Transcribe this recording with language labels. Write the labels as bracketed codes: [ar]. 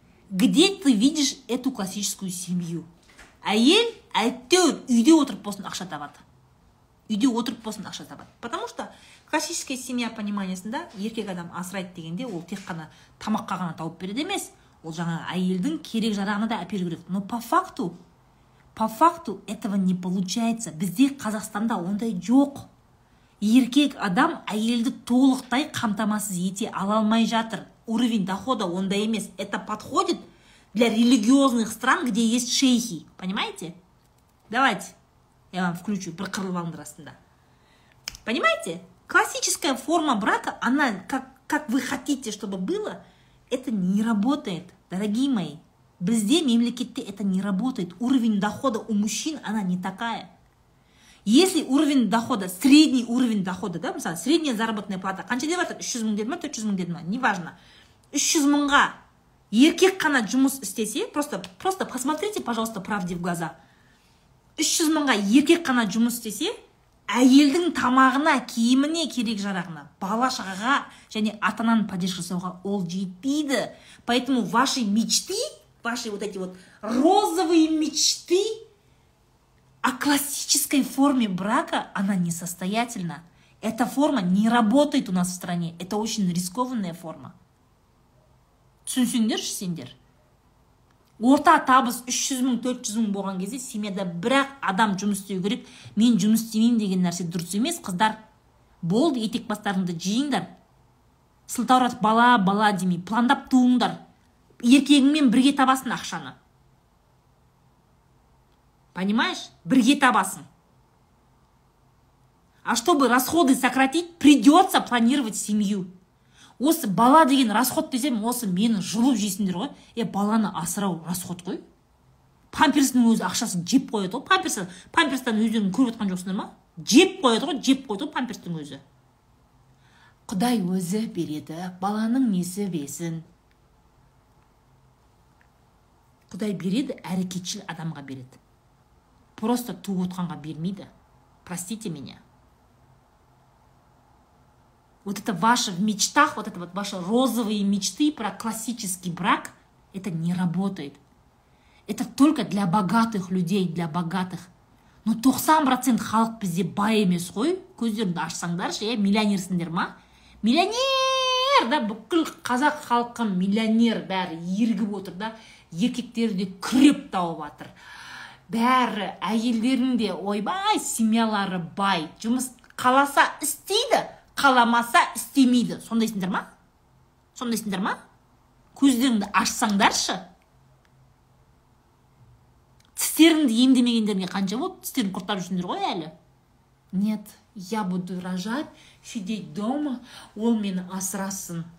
[ru] Где ты видишь эту классическую семью? [kk] Әйел әйттеуір үйде отырып болсын ақша табады. Үйде отырып болсын ақша табады. [ru] Потому что классическая семья [kk] пониманиясында еркек адам асырайды дегенде, ол тек қана тамаққа ғана тауып береді емес, ол жаңа әйелдің керек жарағына да әпер керек. [ru] Но по факту этого не получается. [kk] Бізде Қазақстанда ондай жоқ. Еркек адам әйелді толықтай қамтамасыз ете алалмай жатыр. [ru] Уровень дохода [kk] ондай емес. [ru] Это подходит для религиозных стран, где есть шейхи. Понимаете? Давайте я вам включу [kk] бір қырлы балынды расында. [ru] Понимаете? Классическая форма брака, она как вы хотите, чтобы было, это не работает, дорогие мои. [kk] Бізде мемлекетте [ru] это не работает. Уровень дохода у мужчин, она не такая. Если уровень дохода, средний уровень дохода, да, мысалы, средняя заработная плата, [kk] қанша деп жатыр? 300 мың деді ма, 400 мың деді ма, [ru] неважно. [kk] 300 мыңға еркек қана жұмыс істесе, [ru] просто посмотрите, пожалуйста, правде в глаза. [kk] 300 мыңға еркек қана жұмыс істесе, әйелдің тамағына, киіміне, керек жарағына, бала шағаға және ата-ананың поддержкасына ол жетпейді. [ru] Поэтому ваши вот эти вот розовые мечты о классической форме брака, она несостоятельна. Эта форма не работает у нас в стране. Это очень рискованная форма. [kk] Түсінсіңдерші сендер? Орта табыс 300 мың, 400 мың болған кезде семьяда бірақ адам жұмыс істеу керек. Мен жұмыс істемеймін деген нәрсе дұрыс емес. Қыздар, болды, етек бастарыңды жиыңдар. Сылтауратып бала, бала демей, пландап туыңдар. Еркегіңмен бірге табасың ақшаны. [ru] Понимаешь? [kk] Бірге табасың. [ru] А чтобы расходы сократить, придется планировать семью. [kk] Осы бала деген расход десем, осы мені жұлып жейсіңдер ғой. Баланы асырау расход қой. Памперсінің өзі ақшасын жеп қояды ғой. Памперстан өздерін көріп отқан жоқсыңдар ма? Жеп қояды ғой, жеп қояды ғой памперстің өзі. Құдай өзі береді, баланың несі бесін. Құдай береді, әрекетшіл адамға береді. [ru] Просто [kk] туып отқанға бермейді. [ru] Простите меня. Вот это ваше в мечтах, вот это вот ваши розовые мечты про классический брак, это не работает. Это только для богатых людей, для богатых. [kk] Но 90% халық бізде бай емес қой, көздерінді ашсаңдаршы, миллионерсіңдер ма? Миллионер, да, бүкіл қазақ халқы миллионер, бәрі ергіп отыр, да, еркектері де күреп тауып атыр. Бәрі әйелдерінде, ойбай, семьялары бай, жұмыс қаласа істейді, қаламаса істемейді. Сондайсыңдар ма? Көздеріңді ашсаңдаршы. Тістеріңді емдемегендеріңе қанша болды? Тістерің құртап жүрсіңдер ғой әлі. [ru] Нет, я буду рожать, сидеть дома, [kk] ол мені асырасын.